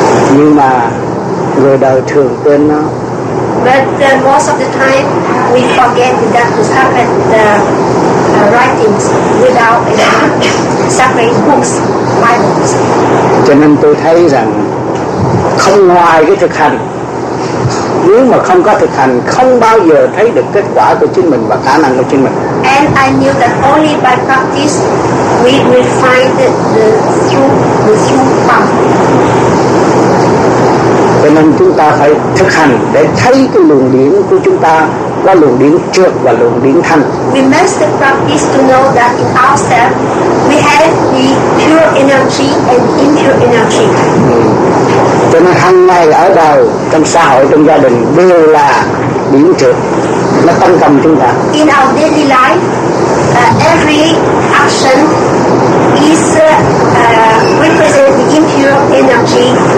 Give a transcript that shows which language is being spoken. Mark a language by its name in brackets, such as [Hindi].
[Vietnamese] Nhưng mà người đời thường quên nó. [English] But most of the time we forget that to sacred writings without any sacred books, Bibles. [Vietnamese] Cho nên tôi thấy rằng không ngoài cái thực hành, Nếu mà không có thực hành, không bao giờ thấy được kết quả của chính mình và khả năng của chính mình. [English] And I knew that only by practice we will find the true path. [Vietnamese] Cho nên chúng ta phải thực hành để thấy cái luồng điển của chúng ta có luồng điển trượt và luồng điển thanh. [English] We must practice to know that in ourselves we have the pure energy and impure energy. [Vietnamese] Cho nên hàng ngày ở đời, trong xã hội, trong gia đình đều là điển trượt, nó tấn công chúng ta. [English] In our daily life, every action is represent the impure energy.